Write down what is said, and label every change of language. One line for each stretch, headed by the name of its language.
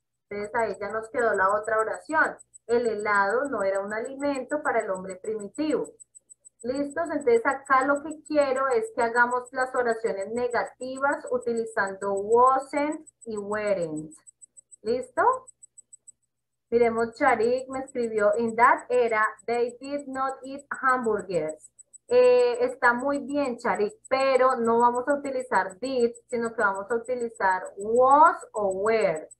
Spanish: Entonces ahí ya nos quedó la otra oración. El helado no era un alimento para el hombre primitivo. ¿Listos? Entonces acá lo que quiero es que hagamos las oraciones negativas utilizando wasn't y weren't. ¿Listo? Miremos, Charik me escribió,
English: in that era, they did not eat hamburgers.
Spanish: Está muy bien, Charik, pero no vamos a utilizar did, sino que vamos a utilizar was o were.